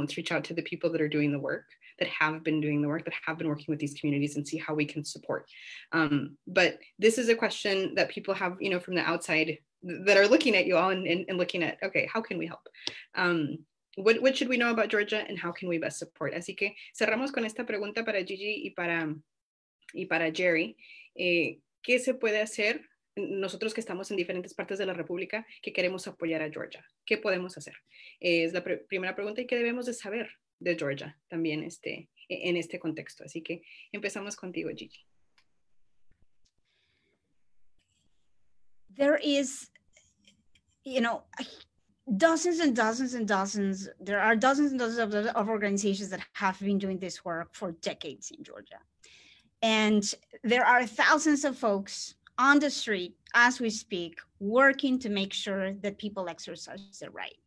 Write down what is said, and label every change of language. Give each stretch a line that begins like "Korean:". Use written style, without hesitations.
English: Let's reach out to the people that are doing the work, that have been doing the work, that have been working with these communities, and see how we can support. But this is a question that people have, you know, from the outside that are looking at you all and looking at, okay, how can we help? What should we know about Georgia, and how can we best support?
Spanish: Así que cerramos con esta pregunta para Gigi y para Jerry. ¿Qué se puede hacer nosotros que estamos en diferentes partes de la República que queremos apoyar a Georgia? ¿Qué podemos hacer? Es la primera pregunta, y qué debemos de saber de Georgia también en este contexto. Así que empezamos contigo, Gigi.
English: There is, you know, dozens and dozens and dozens, there are dozens and dozens of organizations that have been doing this work for decades in Georgia. And there are thousands of folks on the street as we speak, working to make sure that people exercise their right.